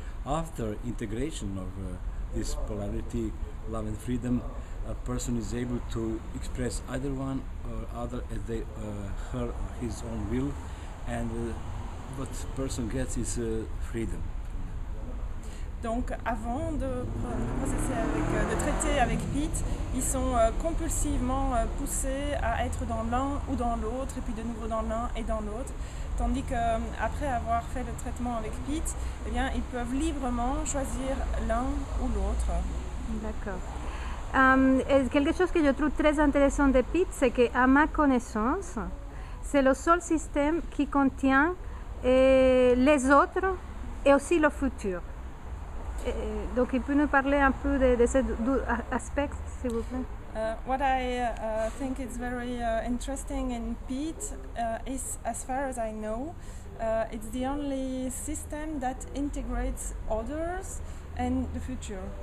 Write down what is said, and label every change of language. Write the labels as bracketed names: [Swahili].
[English] After integration of this polarity, love and freedom, a person is able to express either one or other as they, her or his own will, and what person gets is freedom. [French] Donc avant de traiter avec Pitt, ils sont compulsivement poussés à être dans l'un ou dans l'autre, et puis de nouveau dans l'un et dans l'autre. Tandis qu'après avoir fait le traitement avec Pitt, eh bien, ils peuvent librement choisir l'un ou l'autre. D'accord. Quelque chose que je trouve très intéressant de Pitt, c'est qu'à ma connaissance, c'est le seul système qui contient les autres et aussi le futur. Donc, il peut nous parler un peu de ces deux aspects, s'il vous plaît. [English] What I think is very interesting in PEAT is, as far as I know, it's the only system that integrates others and the future.